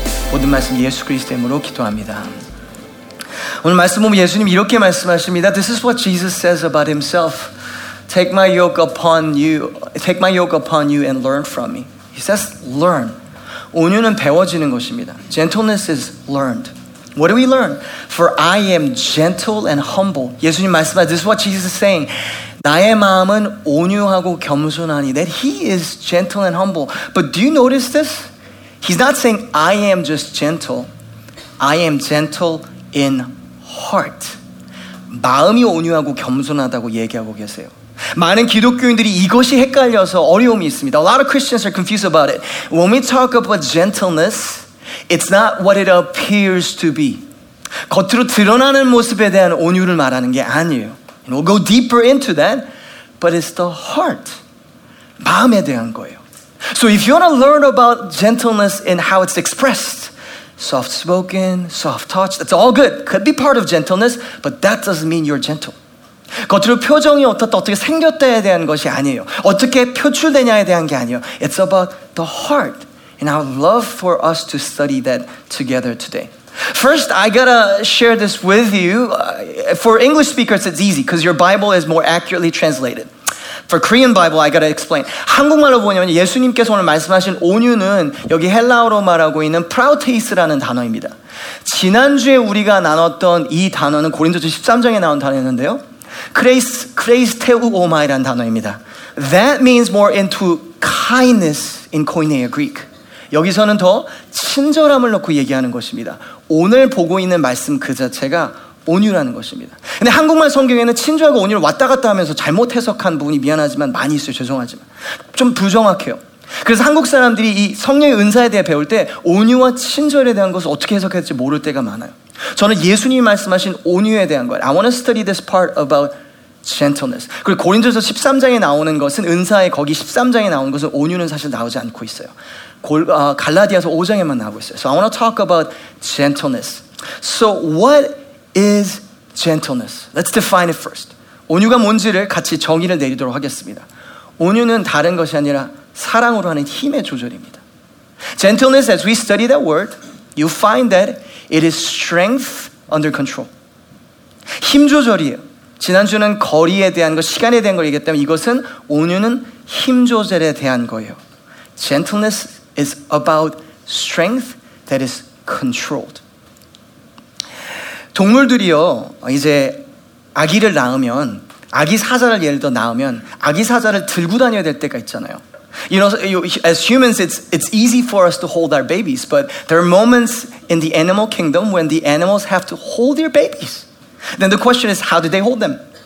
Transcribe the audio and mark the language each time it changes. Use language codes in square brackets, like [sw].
[ko] 모든 말씀 예수 그리스도의 이름으로 기도합니다. 오늘 말씀 보면 예수님 이렇게 말씀하십니다. [en] This is what Jesus says about himself. Take my yoke upon you. Take my yoke upon you and learn from me. He says learn. [ko] 온유는 배워지는 것입니다. [en] Gentleness is learned. What do we learn? For I am gentle and humble. [ko] 예수님 말씀하세요. [en] This is what Jesus is saying. [ko] 나의 마음은 온유하고 겸손하니. [en] That he is gentle and humble. But do you notice this? He's not saying I am just gentle. I am gentle in heart. [ko] 마음이 온유하고 겸손하다고 얘기하고 계세요. 많은 기독교인들이 이것이 헷갈려서 어려움이 있습니다. [en] A lot of Christians are confused about it. When we talk about gentleness, it's not what it appears to be. [ko] 겉으로 드러나는 모습에 대한 온유를 말하는 게 아니에요. [en] And we'll go deeper into that, but it's the heart. [ko] 마음에 대한 거예요. [en] So if you want to learn about gentleness and how it's expressed, soft spoken, soft touch, that's all good. Could be part of gentleness, but that doesn't mean you're gentle. [ko] 겉으로 표정이 어떻다, 어떻게 생겼다에 대한 것이 아니에요. 어떻게 표출되냐에 대한 게 아니에요. [en] It's about the heart. And I would love for us to study that together today. First, I gotta share this with you. For English speakers, it's easy because your Bible is more accurately translated. For Korean Bible, I gotta explain. [ko] 한국말로 보냐면 예수님께서 오늘 말씀하신 온유는 여기 헬라어로 말하고 있는 πραΰτης라는 단어입니다. 지난주에 우리가 나눴던 이 단어는 고린도전서 13장에 나온 단어였는데요. 크레이스테우오마이라는 단어입니다. [en] That means more into kindness in Koine Greek. [ko] 여기서는 더 친절함을 넣고 얘기하는 것입니다. 오늘 보고 있는 말씀 그 자체가 온유라는 것입니다. 근데 한국말 성경에는 친절하고 온유를 왔다 갔다 하면서 잘못 해석한 부분이 미안하지만 많이 있어요. 죄송하지만. 좀 부정확해요. 그래서 한국 사람들이 이 성령의 은사에 대해 배울 때 온유와 친절에 대한 것을 어떻게 해석해야 될지 모를 때가 많아요. 저는 예수님이 말씀하신 온유에 대한 거예요. [en] I want to study this part about gentleness. [ko] 그리고 고린도서 13장에 나오는 것은 은사의 거기 13장에 나오는 것은 온유는 사실 나오지 않고 있어요. 갈라디아서 5장에만 나오고 있어요. [en] So I want to talk about gentleness. So what is gentleness? Let's define it first. [ko] 온유가 뭔지를 같이 정의를 내리도록 하겠습니다. 온유는 다른 것이 아니라 사랑으로 하는 힘의 조절입니다. [en] Gentleness, as we study that word, you find that it is strength under control. [ko] 힘 조절이에요. 지난주는 거리에 대한 것, 시간에 대한 걸 얘기했다면 이것은 온유는 힘 조절에 대한 거예요. [en] Gentleness is about strength that is controlled. [ko] 동물들이요, 이제 아기를 낳으면, 아기 사자를 예를 들어 낳으면 아기 사자를 들고 다녀야 될 때가 있잖아요. [en] You know, as humans, it's easy for us to hold our babies, but there are moments in the animal kingdom when the animals have to hold their babies. Then the question is, how do they hold them?